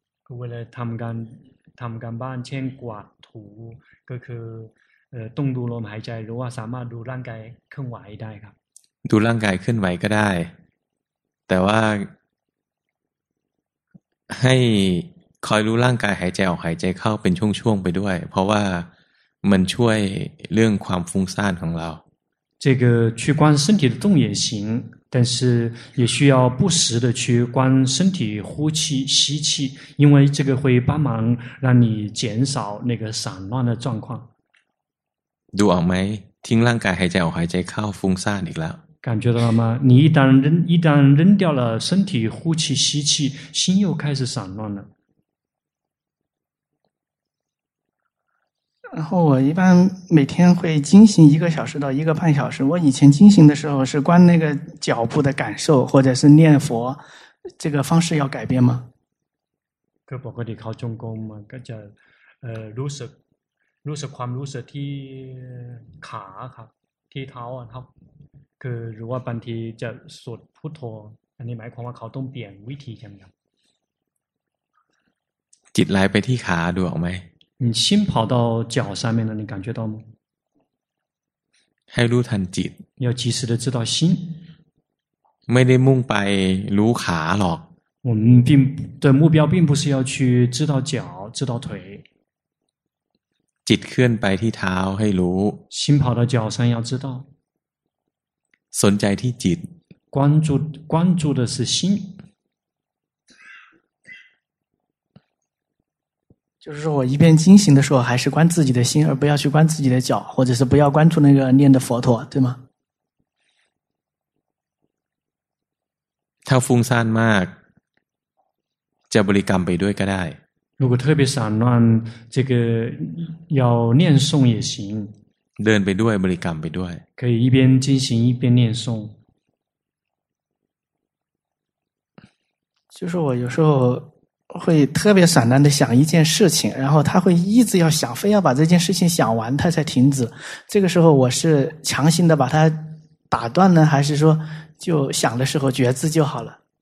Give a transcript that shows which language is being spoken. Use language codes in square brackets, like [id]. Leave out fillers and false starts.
[th] 为了他们刚办签挂图各个动作我们还在如果什么都让该坑歪一代都让该坑歪个代但我 ให้คอยรู้ร่างกายหายใจออกหายใจเข้าเป็นช่วงๆไปด้วยเพราะว่ามันช่วยเรื่องความฟุ้งซ่านของเรา [zh] 这个去观身体的动也行但是也需要不时的去观身体呼气吸气因为这个会帮忙让你减少那个散乱的状况 [th] ดูออกไหมทิ้งร่างกายหายใจออกหายใจเข้าฟุ้งซ่านอีกแล้ว [zh] 感觉到了吗？你一旦扔掉了身体呼气吸气，心又开始散乱了。然后我一般每天会精行1-1.5小时。我以前精行的时候是观那个脚步的感受，或者是念佛，这个方式要改变吗？ [th] ก็ปกติเขาจงกรมก็จะรู้สึกความรู้สึกที่ขาครับที่เท้าอ่ะครับคือหรือว่าบางทีจะสวดพุทโธอันนี้หมายความว่าเขาต้องเปลี่ยนวิธีใช่ไหมครับ จิตไหลไปที่ขาดูออกไหม [zh] 你心跑到脚上面了你感觉到吗 [th] ให้รู้ทันจิต [zh] 要及时的知道心 [th] ไม่ได้มุ่งไปรู้ขาหรอก [zh] 我们并的目标并不是要去知道脚知道腿 [th] จิตเคลื่อนไปที่เท้าให้รู้ [zh] 心跑到脚上要知道 [th] สนใจที่จิต [zh] 关注的是心就是说我一边精行的时候还是关自己的心而不要去关自己的脚或者是不要关注那个念的佛陀对吗 [th] ถ้าฟุ้งซ่านมากจะบริกรรมไปด้วยก็ได้ [zh] 如果特别散乱这个要念诵也行 [th] เดินไปด้วยบริกรรมไปด้วย [zh] 可以一边进行一边念诵就是我有时候会特别散乱的想一件事情然后他会一直要想非要把这件事情想完他才停止这个时候我是强行的把它打断呢还是说就想的时候觉知就好了